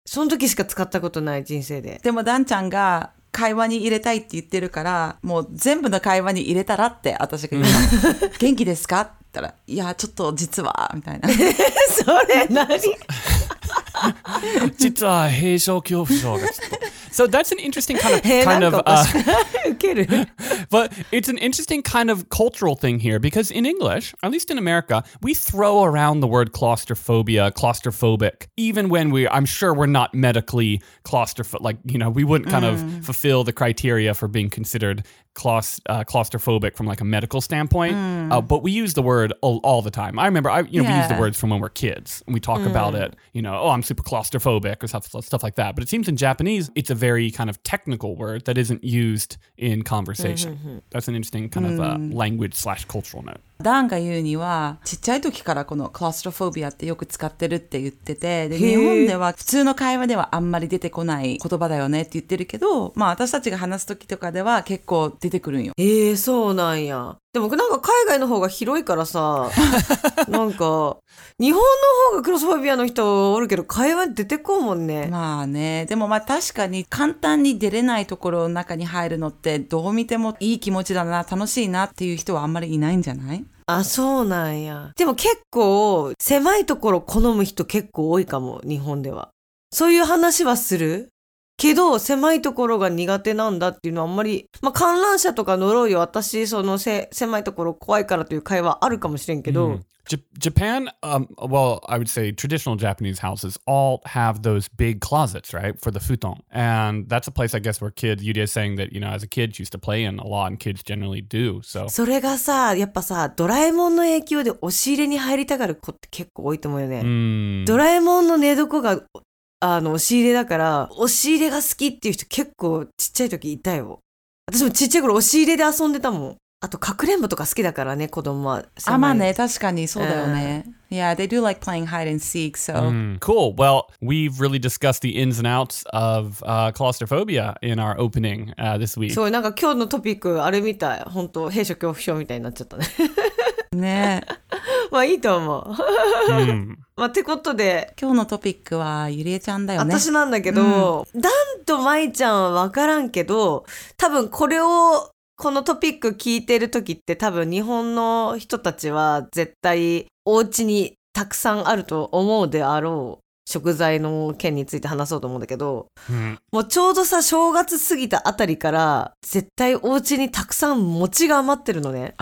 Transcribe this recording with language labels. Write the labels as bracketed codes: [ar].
[ja] その時しか使ったことない、人生で。でも、ダンちゃんが、会話に入れたいって言ってるから、もう全部の会話に入れたらって、私が言うの。元気ですか？ったら、いや、ちょっと実は、みたいな。それ何？実は、閉所恐怖症がちょっと。 [en] So that's an interesting kind of but it's an interesting kind of cultural thing here, because in English, at least in America, we throw around the word claustrophobia, claustrophobic, even when I'm sure we're not medically claustrophobic, like, you know, we wouldn't kind of fulfill the criteria for being considered claustrophobic from like a medical standpoint. But we use the word all the time. I remember, we use the words from when we're kids and we talk about it, you know, oh, I'm super claustrophobic or stuff like that. But it seems in Japanese, it's a very kind of technical word that isn't used in conversation. That's an interesting kind of language slash cultural note. [ja] ダンが言うには、ちっちゃい時からこのクラストフォビアってよく使ってるって言ってて、で、日本では普通の会話ではあんまり出てこない言葉だよねって言ってるけど、まあ私たちが話す時とかでは結構出てくるんよ。へえ、そうなんや。でもなんか海外の方が広いからさ、なんか日本の方がクラストフォビアの人おるけど会話出てこうもんね。まあね、でもまあ確かに簡単に出れないところの中に入るのってどう見てもいい気持ちだな、楽しいなっていう人はあんまりいないんじゃない？あ、そうなんや。でも結構狭いところ好む人結構多いかも、日本では。そういう話はする？けど狭いところが苦手なんだっていうのはあんまり、まあ、観覧車とか乗ろうよ私その狭いところ怖いからという会話あるかもしれんけど、 [en] Japan, well, I would say traditional Japanese houses all have those big closets, right, for the futon. And that's a place, I guess, where kids, Yuri is saying that, you know, as a kid, she used to play in a lot, and kids generally do, so. [ja] それがさ、やっぱさ、ドラえもんの影響で押し入れに入りたがる子って結構多いと思うよね。ドラえもんの寝床が、あの、押し入れだから、押し入れが好きっていう人結構ちっちゃい時いたよ。私もちっちゃい頃押し入れで遊んでたもん。あとかくれんぼとか好きだからね子供は。あまあね確かにそうだよね。 [en] Yeah, they do like playing hide and seek. So cool. Well, we've really discussed the ins and outs of claustrophobia in our opening this week. [ja] そうなんか今日のトピックあれみたい本当閉所恐怖症みたいになっちゃったね。ね。まあいいと思う。まあてことで今日のトピックはゆりえちゃんだよね。私なんだけど、ダンとまいちゃんはわからんけど、多分これをこのトピック聞いてるときって多分日本の人たちは絶対お家にたくさんあると思うであろう食材の件について話そうと思うんだけど、もうちょうどさ正月過ぎたあたりから絶対お家にたくさん餅が余ってるのね。